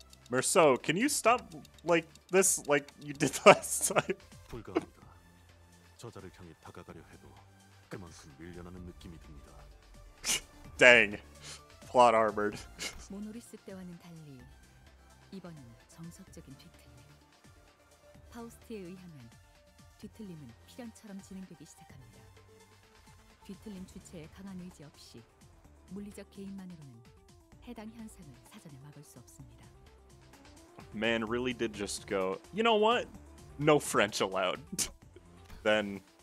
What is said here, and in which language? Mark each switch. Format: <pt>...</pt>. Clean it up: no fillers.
<en>Merceau, can you stop like this like you did last time?</en> <ko>저자를 향해 다가가려 해도 그만큼 밀려나는 느낌이 듭니다. Dang. Plot armored. 모노리스 때와는 달리 이번은 정석적인 뒤틀림. 파우스트에 의하면 뒤틀림은 필연처럼 진행되기 시작합니다. 뒤틀림 주체의 강한 의지 없이 물리적 개입만으로는 해당 현상을 사전에 막을 수 없습니다.</ko> <en>Man really did just go, you know what? No French allowed. Then.</en>